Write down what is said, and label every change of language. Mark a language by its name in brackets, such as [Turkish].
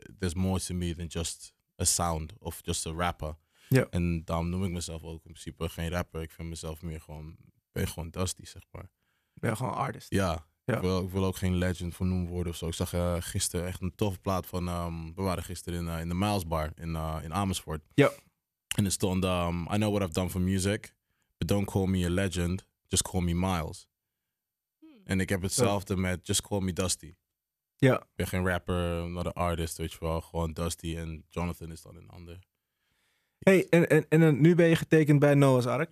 [English] There's more to me than just a sound of just a rapper. Yeah. [Dutch] En daarom noem ik mezelf ook in principe geen rapper. Ik vind mezelf meer gewoon... Ik ben gewoon Dusty, zeg maar. Ben gewoon artist. Ja, ja. Ik wil ook geen legend voor noemen worden of zo. Ik zag gisteren echt een toffe plaat van... we waren gisteren in de Miles Bar in Amersfoort. Ja. En er stond... [English] I know what I've done for music, but don't call me a legend. Just call me Miles. [Dutch] En ik heb hetzelfde met [English] just call me Dusty. [Dutch] Ja. Ik ben geen rapper, [English] not an artist, [Dutch] weet je wel. Gewoon Dusty en Jonathan is dan een ander. [English] Yes. [Dutch] Hey, en nu ben je getekend bij Noah's Ark.